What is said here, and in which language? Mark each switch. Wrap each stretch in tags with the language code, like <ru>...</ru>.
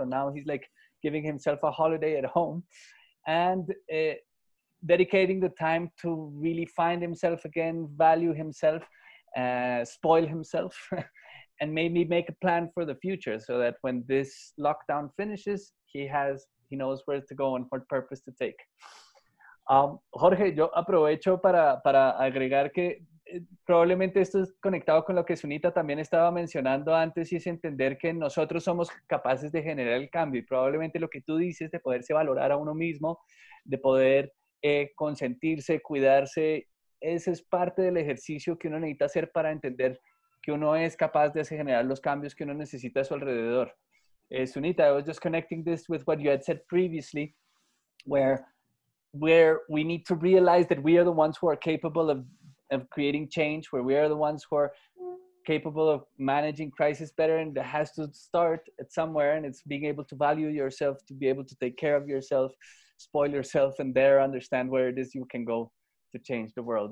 <en>So now he's like giving himself a holiday at home and dedicating the time to really find himself again, value himself, spoil himself, and maybe make a plan for the future so that when this lockdown finishes, he knows where to go and what purpose to take.</en> <es>Jorge, yo aprovecho para agregar que probablemente esto es conectado con lo que Sunita también estaba mencionando antes y es entender que nosotros somos capaces de generar el cambio y probablemente lo que tú dices de poderse valorar a uno mismo, de poder consentirse, cuidarse, ese es parte del ejercicio que uno necesita hacer para entender que uno es capaz de generar los cambios que uno necesita a su alrededor.</es> <en>Sunita, I was just connecting this with what you had said previously, where we need to realize that we are the ones who are capable of creating change, where we are the ones who are capable of managing crisis better, and it has to start at somewhere, and it's being able to value yourself, to be able to take care of yourself, spoil yourself, and there understand where it is you can go to change the world.</en>